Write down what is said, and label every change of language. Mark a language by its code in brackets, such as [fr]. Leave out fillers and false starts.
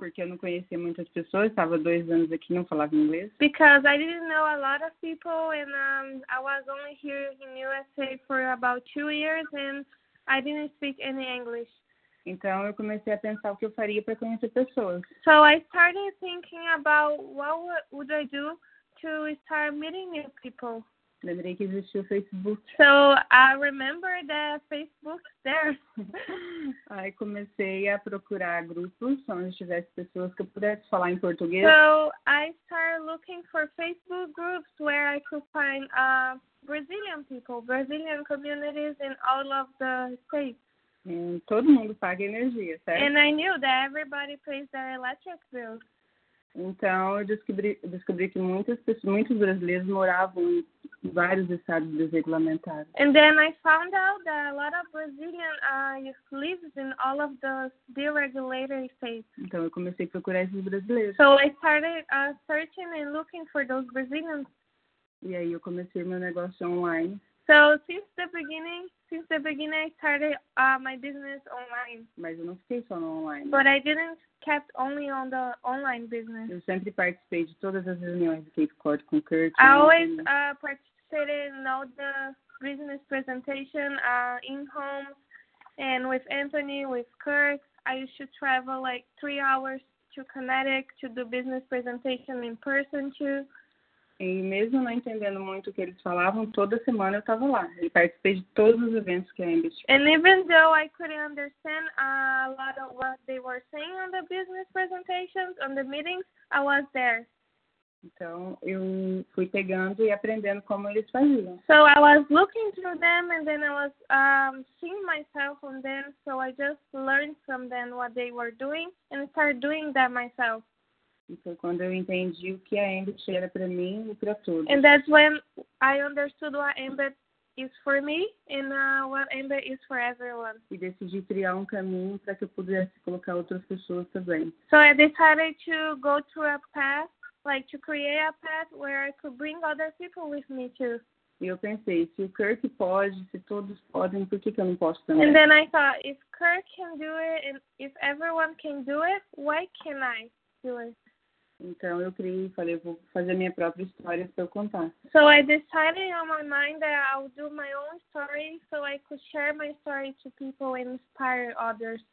[pt] Porque eu não conhecia muitas pessoas, estava 2 anos aqui, não falava inglês. [en] Because I didn't know a lot of people, and I was only here in USA for about 2 years, and I didn't speak any English. [pt] Então eu comecei a pensar o que eu faria para conhecer pessoas. [en] So I started thinking about what would I do to start meeting new people. [pt] Lembrei que existia o Facebook. [en] So I remember the Facebook there. [pt] Aí comecei a procurar grupos onde tivesse pessoas que eu pudesse falar em português. [en] So I started looking for Facebook groups where I could find Brazilian people, Brazilian communities in all of the states. [pt] Todo mundo paga energia, certo? [en] And I knew that everybody pays their electric bills. [pt] Então, eu descobri que muitas pessoas, muitos brasileiros moravam em vários estados desregulamentados. [en] And then I found out that a lot of Brazilian lives in all of the deregulated states. [pt] Então, eu comecei a procurar esses brasileiros. [en] So I started searching and looking for those Brazilians. [pt] E aí, eu comecei meu negócio online. [en] So since the beginning, I started my business online. [pt] Mas eu não fiquei só no online. [en] But I didn't kept only on the online business. [pt] Eu sempre participei de todas as reuniões do Cape Cod com Kurt. [en] I always participated in all the business presentation in home and with Anthony, with Kurt. I used to travel like 3 hours to Connecticut to do business presentation in person too. [pt] E mesmo não entendendo muito o que eles falavam, toda semana eu estava lá. Eu participei de todos os eventos que a Embit tinha. [en] And even though I couldn't understand a lot of what they were saying on the business presentations, on the meetings, I was there. [pt] Então, eu fui pegando e aprendendo como eles faziam. [en] So I was looking through them and then I was seeing myself on them. So I just learned from them what they were doing and started doing that myself. [pt] E foi quando eu entendi o que a Embit era para mim e para todos. [en] And that's when I understood what Embit is for me and what Embit is for everyone. [pt] E decidi criar um caminho para que eu pudesse colocar outras pessoas também. [en] So I decided to go to a path, like to create a path where I could bring other people with me too. [pt] E eu pensei, se o Kirk pode, se todos podem, por que eu não posso também? [en] And then I thought, if Kirk can do it and if everyone can do it, why can't I do it? [pt] Então, eu criei e falei, vou fazer minha própria história para eu contar. [en] So, I decided on my mind that I'll do my own story so I could share my story to people and inspire others.